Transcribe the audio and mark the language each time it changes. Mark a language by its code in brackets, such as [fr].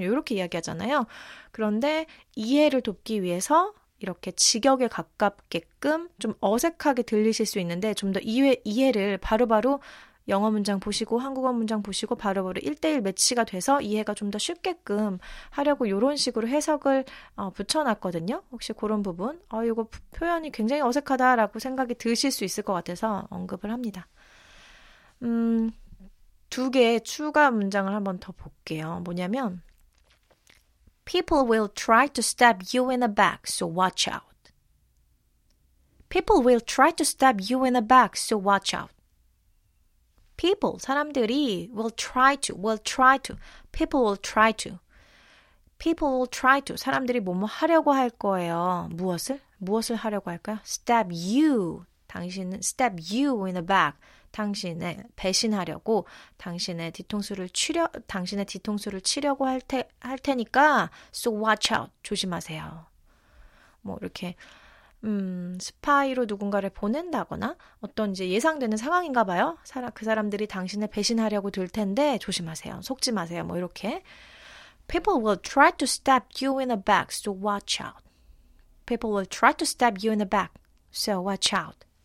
[ko] 이렇게 이야기하잖아요. 그런데 이해를 돕기 위해서 이렇게 직역에 가깝게끔 좀 어색하게 들리실 수 있는데 좀더 이해를 바로바로 영어 문장 보시고 한국어 문장 보시고 바로바로 1대1 매치가 돼서 이해가 좀더 쉽게끔 하려고 이런 식으로 해석을 붙여놨거든요. 혹시 그런 부분, 이거 표현이 굉장히 어색하다라고 생각이 드실 수 있을 것 같아서 언급을 합니다. 두 개의 추가 문장을 한번 더 볼게요. 뭐냐면, [en] People will try to stab you in the back, so watch out. People will try to stab you in the back, so watch out. People, [ko] 사람들이 [en] will try to, people will try to. People will try to, [ko] 사람들이 뭐뭐 하려고 할 거예요. 무엇을? 무엇을 하려고 할까요? [en] Stab you, [ko] 당신은 [en] stab you in the back. [ko] 당신을 배신하려고 당신의 뒤통수를 치려고 할 테니까 [en] so watch out [ko] 조심하세요. 뭐 이렇게 스파이로 누군가를 보낸다거나 어떤 이제 예상되는 상황인가 봐요. 그 사람들이 당신을 배신하려고 들 텐데 조심하세요. 속지 마세요. 뭐 이렇게 [en] People will try to stab you in the back, so watch out. People will try to stab you in the back, so watch out.